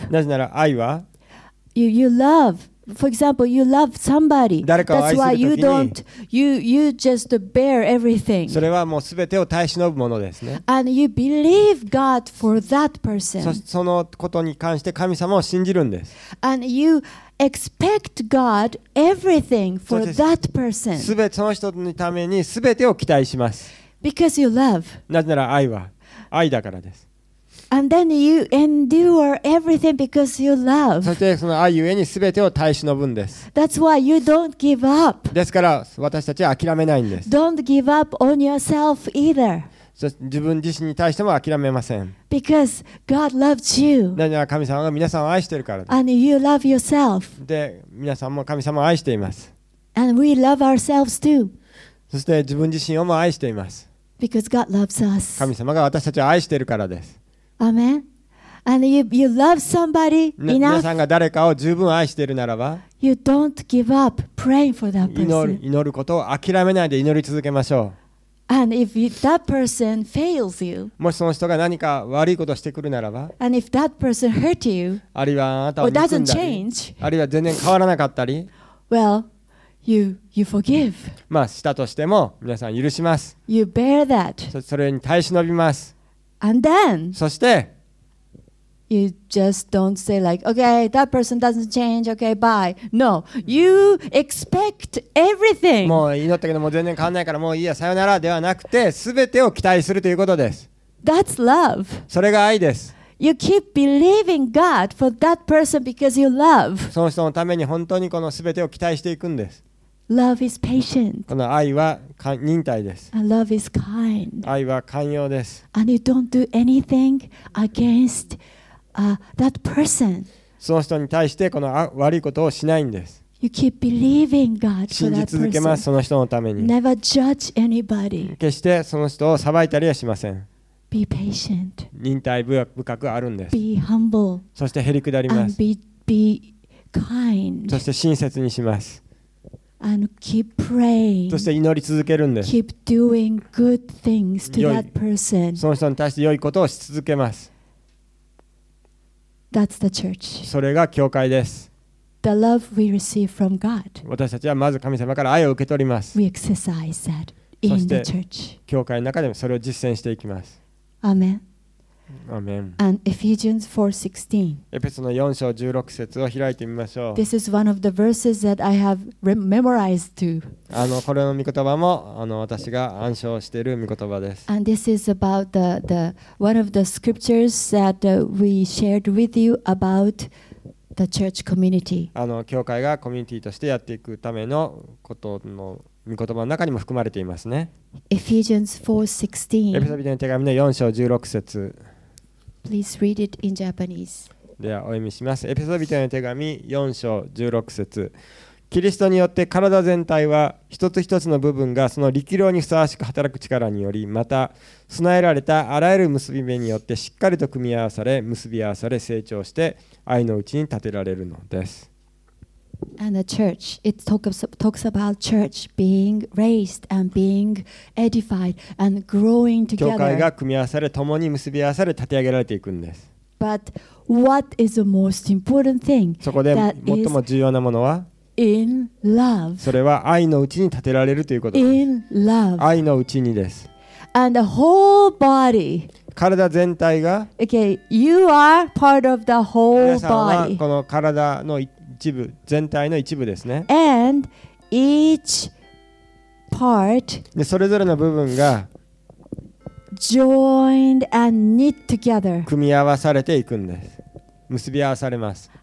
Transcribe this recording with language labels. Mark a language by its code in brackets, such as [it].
[ja] なぜなら愛は [en] You love. For example, you love somebody. [ja] 誰かを愛するときに、 [en] you just bear everything. [ja] それはもうすべてを耐え忍ぶものですね。 [en] And you believe God for that person. [ja] そのことに関して神様を信じるんです。 [en] And you expect God everything for that person. [ja] すべてその人のためにすべてを期待します。 [en] Because you love. [ja] なぜなら愛は愛だからです。 [en] And then you endure everything because you love. [ja] そしてその愛ゆえにすべてを耐え忍ぶんです。 [en] That's why you don't give up. [ja] ですから私たちは諦めないんです。 [en] Don't give up on yourself either. [ja] 自分自身に対しても諦めません。 [en] Because God loves you. [ja] なぜなら神様が皆さんを愛しているからです。 [en] And you love yourself. [ja] で、皆さんも神様を愛しています。 [en] And we love ourselves too. [ja] そして自分自身をも愛しています。 [en] Because God loves us. [ja] 神様が私たちを愛しているからです。 [en] Amen. And you love somebody enough. [ja] 皆さんが誰かを十分愛しているならば、 [en] you don't give up praying for that person. [ja] 祈ることを諦めないで祈り続けましょう。 [en] And if that person fails you, [ja] もしその人が何か悪いことをしてくるならば、 [en] and if that person hurt you, [ja] あるいはあなたを憎んだり、 [en] or doesn't change, [ja] あるいは全然変わらなかったり、 [en] well, you forgive. [ja] まあしたとしても皆さん許します。 [en] You bear that. [ja] それに耐え忍びます。 [en] And then, [ja] そして、 [en] you just don't say like, okay, that person doesn't change, okay, bye. No, you expect everything. [ja] もう祈ったけどもう全然変わらないからもういいやさよならではなくて、すべてを期待するということです。 [en] That's love. [ja] それが愛です。 [en] You keep believing God for that person because you love. [ja] その人のために本当にこのすべてを期待していくんです。 [en] Love is patient. [ja] この愛は忍耐です。 [en] And love is kind. [ja] 愛は寛容です。 [en] And you don't do anything against that person. [ja] その人に対してこの悪いことをしないんです。 [en] You keep believing God for that person. [ja] 信じ続けます、その人のために。 [en] Never judge anybody. [ja] 決してその人を裁いたりはしません。 [en] Be patient. [ja] 忍耐深くあるんです。 [en] Be humble. [ja] そして減り下ります。 [en] And be kind. [ja] そして親切にします。 [en] And keep praying. [ja] そして祈り続けるんです。 [en] Keep doing good things to that person. [ja] その人に対して良いことをし続けます。 [en] That's the church. [ja] それが教会です。 [en] The love we receive from God. [ja] 私たちはまず神様から愛を受け取ります。 [en] We exercise that in the church. [ja] そして教会の中でもそれを実践していきます。 [en] Amen. Amen. And Ephesians 4:16. [ja] エペソの4章16節を開いてみましょう。 [en] This is one of the verses that I have memorized too. [ja] これの御言葉も私が暗唱している御言葉です。 [en] And this is about the one of the scriptures that we shared with you about the church community. [ja] 教会がコミュニティとしてやっていくためのことの御言葉の中にも含まれていますね。 [en] Ephesians 4:16. [ja] エペソ人への手紙の4章16節。 [en] Please read it in Japanese. [ja] ではお読みします。エペソ人への手紙4章16節。キリストによって体全体は一つ一つの部分がその力量にふさわしく働く力により、また備えられたあらゆる結び目によってしっかりと組み合わされ、結び合わされ成長して愛のうちに立てられるのです。 [en] And the church, it talks about church being raised and being edified and growing together. [ja] 教会が組み合わされ共に結び合わされ立て上げられていくんです。 [en] But what is the most important thing? [ja] そこで最も重要なものは [en] In love. [ja] それは愛のうちに立てられるということです。 [en] In love. [ja] 愛のうちにです。 [en] And the whole body. [ja] 体全体が。 [en] Okay, you are part of the whole body. [ja] 皆さんはこの体の一部、全体の一部ですね。 [en] And each part. [ja] で、それぞれの部分が。 [en] Joined and knit together. [ja] 組み合わされていくんです。結び合わされます。